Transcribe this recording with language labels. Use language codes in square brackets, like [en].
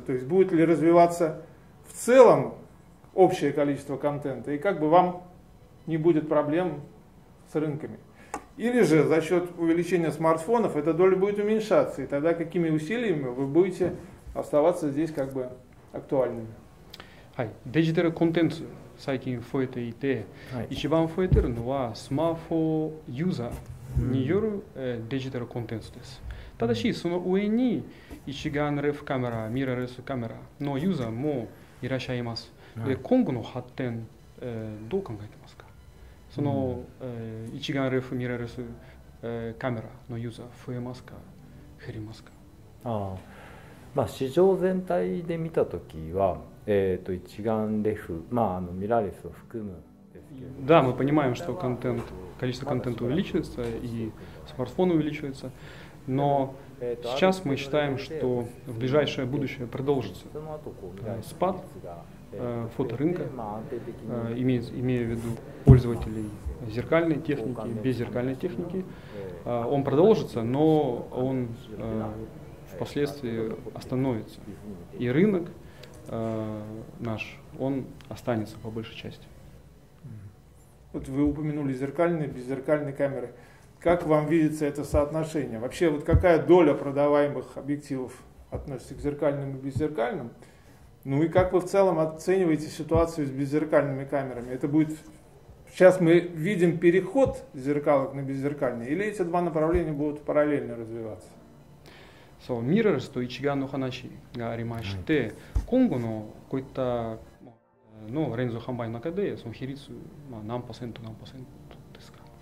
[ru] То есть будет ли развиваться в целом общее количество контента? И как бы вам не будет проблем с рынками? Или же за счет увеличения смартфонов эта доля будет уменьшаться? И тогда какими усилиями вы будете оставаться здесь как бы актуальными? [ja] Hi, digital content. 最近増えていて、はい、一番増えてるのはスマホユーザーによる、うん、デジタルコンテンツです。ただしその上に一眼レフカメラ、ミラーレスカメラのユーザーもいらっしゃいます。はい、で今後の発展、どう考えてますか？その、うん、一眼レフ、ミラーレス、カメラのユーザー増えますか？減りますか？あ、まあ、市場全体で見たときは一眼レフ、まあ、ミラーレスを含む。 [ru] Да, мы понимаем, что контент, количество контента увеличивается и смартфон увеличивается, но сейчас мы считаем, что в ближайшее будущее продолжится спад фоторынка, имея в виду пользователей зеркальной техники, беззеркальной техники. Он продолжится, но он впоследствии остановится. И рынок наш, он останется по большей части. Вот вы упомянули зеркальные, беззеркальные камеры. Как вам видится это соотношение? Вообще, вот какая доля продаваемых объективов относится к зеркальным и беззеркальным? Ну и как вы в целом оцениваете ситуацию с беззеркальными камерами? Это будет... Сейчас мы видим переход зеркалок на беззеркальные, или эти два направления будут параллельно развиваться? [ja] So, mirrors と一眼の話がありまして、今後のこういったのレンズ販売の中で、その比率、まあ、何パーセント、何パーセントですか？